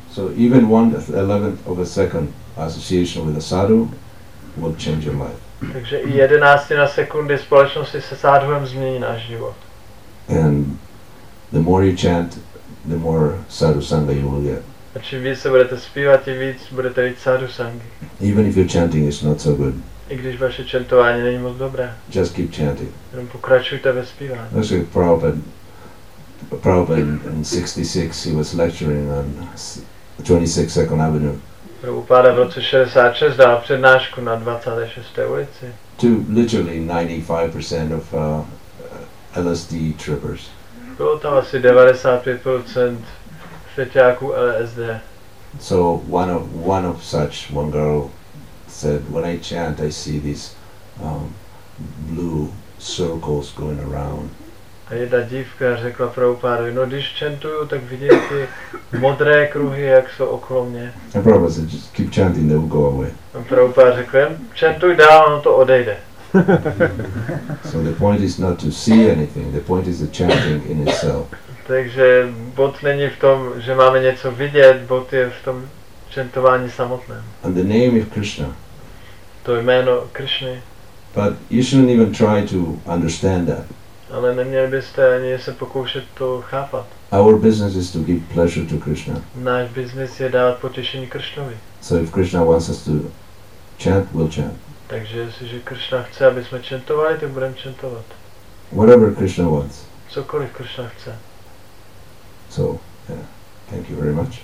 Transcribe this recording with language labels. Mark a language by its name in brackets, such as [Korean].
[English] So even 1/11 of a second association with a sadhu will change your life. [Czech] Takže i jedenáctina sekundy společnosti se sádhuem změní náš život. [English] And the more you chant, the more sadhu sangha you will get. [Czech] A čím víc se budete zpívat, tím víc budete mít sadhu sanghi. [English] Even if your chanting is not so good. [Czech] I když vaše chantování není moc dobré. [English] Just keep chanting. [Czech] Jenom pokračujte ve zpívání. [English] That's like Prabhupada in 66, he was lecturing on 26 Second Avenue. [Czech] Prabhupada v roce 66 dal přednášku na 26. ulici. [English] To literally 95% of LSD trippers. [Czech] Bylo tam asi 95% feťáků LSD. [English] So one of such, one girl said, when I chant I see these blue circles going around. [Czech] A jedna dívka řekla Prabhupádovi, no když chantuju, tak vidím ty modré kruhy, jak jsou okolo mě. A Prabhupáda řekl, [English] just keep chanting, they will go away. [Czech] A Prabhupáda řekl, jen chantuj dál, ono to odejde. [English] So the point is not to see anything, the point is the chanting in itself. [Czech] Takže bod není v tom, že máme něco vidět, bod je v tom chantování samotném. [English] And the name is Krishna. [Czech] To jméno Krishna. [English] But you shouldn't even try to understand that. [Czech] Ale neměli byste ani se pokoušet to chápat. [English] Our business is to give pleasure to Krishna. [Czech] Náš business je dát potěšení Krishnovi. [English] So if Krishna wants us to chant, we'll chant. [Czech] Takže jestliže Krishna chce, aby jsme chantovali, tak budeme chantovat. [English] Whatever Krishna wants. [Czech] Cokoliv Krishna chce. [English] So, yeah. Thank you very much.